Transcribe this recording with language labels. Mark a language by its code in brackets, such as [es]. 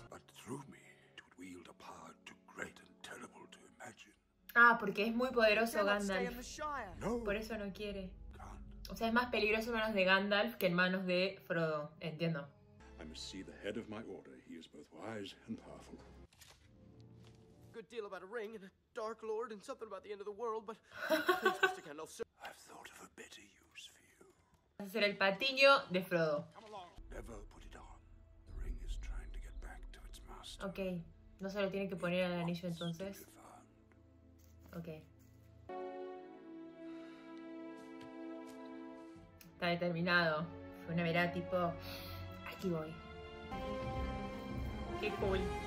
[en] But through me, it would wield a power too great and terrible to imagine. [es] Ah, porque es muy poderoso Gandalf. Por eso no quiere. O sea, es más peligroso en manos de Gandalf que en manos de Frodo. Entiendo. [en] I must see the head of my order. He is both wise and powerful. Good deal about a ring and a dark lord and something about the end of the world, but Mr. Gandalf, sir. I've thought of a better use for you. [es] Vas a ser el patiño de Frodo. [en] Never put it on. The ring is trying to get back to its master. [es] Okay, no se lo tiene que poner al anillo entonces. Okay. Está determinado. Fue una mirada tipo, aquí voy. Qué cool.